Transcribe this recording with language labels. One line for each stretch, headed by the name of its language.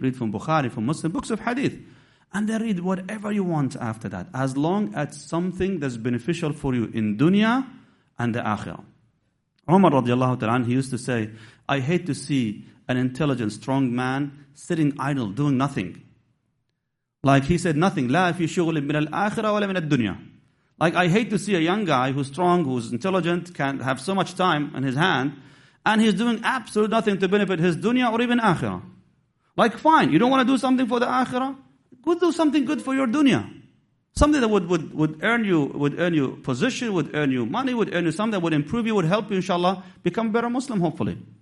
English: Read from Bukhari, from Muslim books of hadith. And then read whatever you want after that, as long as something that's beneficial for you in dunya and the akhirah. Umar radiallahu ta'ala, he used to say, I hate to see an intelligent, strong man sitting idle, doing nothing. Like he said, nothing.
Arabic: لا في شغل من الآخرة ولا من الدنيا.
English: Like I hate to see a young guy who's strong, who's intelligent, can have so much time in his hand, and he's doing absolutely nothing to benefit his dunya or even akhirah. Like fine, you don't want to do something for the akhirah? Would do something good for your dunya. Something that would earn you position, would earn you money, would earn you something that would improve you, would help you, inshallah, become a better Muslim, hopefully.